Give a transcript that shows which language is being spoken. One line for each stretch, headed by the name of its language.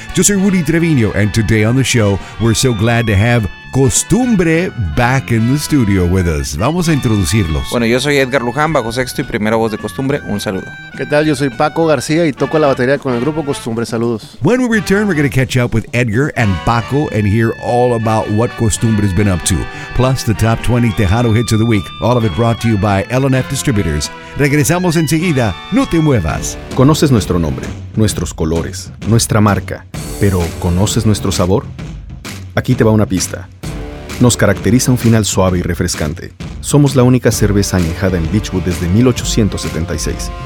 Spanish: Yo soy Rudy Treviño,
English: and today on the show, we're so glad to have Costumbre back in the studio with us.
Spanish: Vamos a introducirlos. Bueno, yo soy Edgar Luján, bajo sexto y primera voz de Costumbre. Un saludo. ¿Qué tal? Yo soy Paco García y toco la batería con el grupo Costumbre. Saludos.
English: When we return, we're going to catch up with Edgar and Paco and hear all about what Costumbre has been up to. Plus, the top 20 Tejano hits of the week. All of it brought to you by LNF Distributors.
Spanish: Regresamos enseguida. No te muevas. ¿Conoces nuestro nombre, nuestros colores, nuestra marca, pero conoces nuestro sabor? Aquí te va una pista. Nos caracteriza un final suave y refrescante. Somos la única cerveza añejada en Beechwood desde 1876.